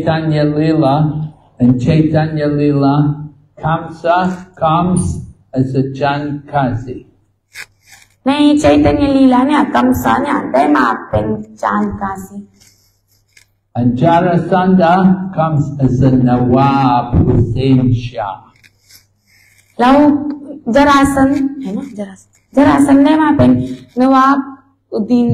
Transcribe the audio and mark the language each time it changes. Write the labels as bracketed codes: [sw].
[en] In Chaitanya Lila, Kamsa comes as a Jankazi. [th] ในใจเตนยลีลาเนี่ยกัมสันเนี่ยได้มาเป็นจานกาสิ [en] And Jarasandha comes as a Nawab Husain Shah [th] แล้วจารสันได้มาเป็นนวาบอุดีน